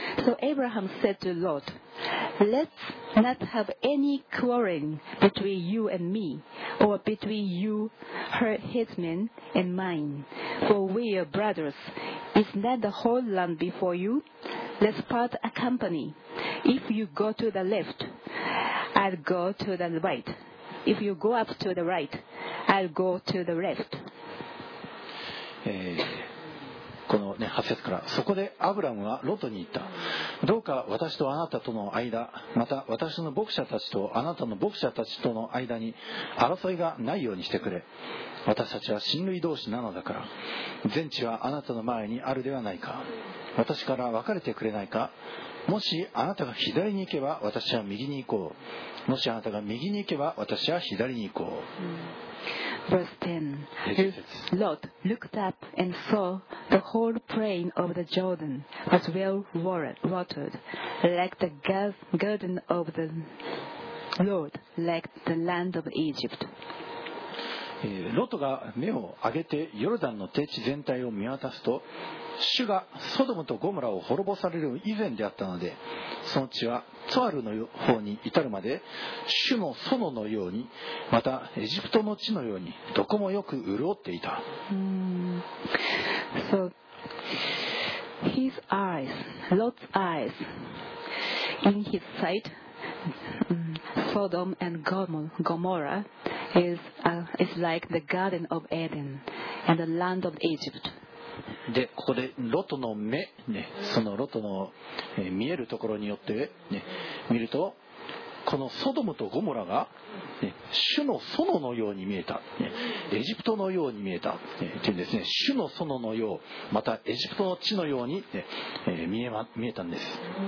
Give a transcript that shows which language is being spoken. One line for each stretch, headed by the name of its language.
English: So Abraham said to Lot, Let's not have any quarreling between you and me, or between you, her headsman, and mine, for we are brothers. Is not the whole land before you? Let's part a company. If you go to the left, I'll go to the right. If you go up to the right, I'll go to the left.
Japanese: この、ね、8節から、そこでアブラムはロトに言った。どうか私とあなたとの間、また私の牧者たちとあなたの牧者たちとの間に争いがないようにしてくれ。私たちは親類同士なのだから。全地はあなたの前にあるではないか。私から別れてくれないか。もしあなたが左に行けば私は右に行こう。もしあなたが右に行けば私は左に行こう。
English: Verse 10. Lot looked up and saw the whole plain of the Jordan was well watered, like the garden of the Lord, like the land of Egypt.
Japanese: ロトが目を上げてヨルダンの低地全体を見渡すと、主がソドムとゴムラを滅ぼされる以前であったので、その地はツァールの方に至るまで主の園のように、またエジプトの地のようにどこもよく潤っていた。
English: So, his eyes, Lot's eyes, in his sight, Sodom and Gomorrah is like the garden of Eden and the land of Egypt.
Japanese: でここでロトの目、ね、そのロトの、見えるところによって、ね、見ると、このソドムとゴモラが、ね、主の園のように見えた、ね、エジプトのように見えた、ね、っていうんですね。主の園のよう、またエジプトの地のように、ね、見えたんです。